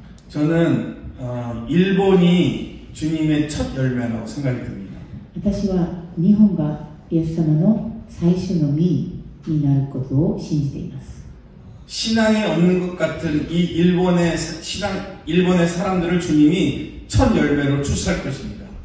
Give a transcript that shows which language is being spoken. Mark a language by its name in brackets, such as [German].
[Korean] 저는 일본이 주님의 첫 열매라고 생각이 듭니다. [Japanese] 私は日本が 예수様の最初の実になることを信じています。 [Korean] 신앙이 없는 것 같은 이 일본의 신앙 일본의 사람들을 주님이 첫 열매로 추수할 것입니다.